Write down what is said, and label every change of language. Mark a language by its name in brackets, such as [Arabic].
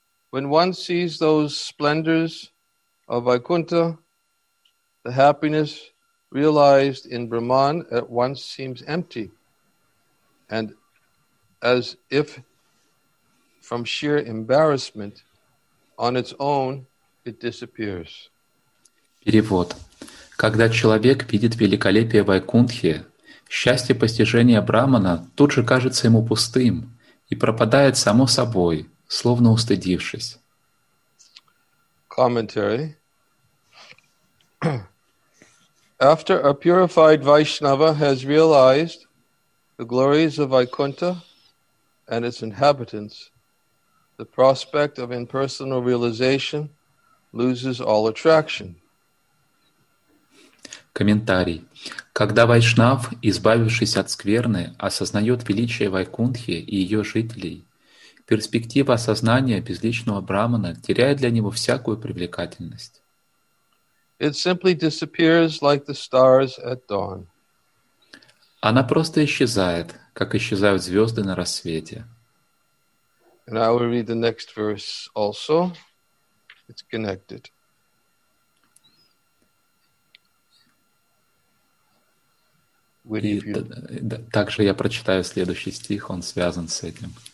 [English] When one sees those splendors of Vaikuntha, the happiness realized in Brahman at once seems empty, and as if from sheer embarrassment, on its own it disappears. [Russian] Перевод. Когда человек видит великолепие Вайкунтхи, счастье постижения Брахмана тут же кажется ему пустым и пропадает само собой, словно устыдившись. [English] Commentary. After a purified Vaishnava has realized the glories of Vaikuntha and its inhabitants, the prospect of impersonal realization loses all attraction. [Russian] Комментарий. Когда Вайшнав, избавившись от скверны, осознает величие Вайкунтхи и ее жителей, перспектива осознания безличного Брахмана теряет для него всякую привлекательность. [English] It simply disappears like the stars at dawn. [Russian] Она просто исчезает, как исчезают звезды на рассвете. [English] And I will read the next verse also. It's connected. [Russian] И также я прочитаю следующий стих, он связан с этим.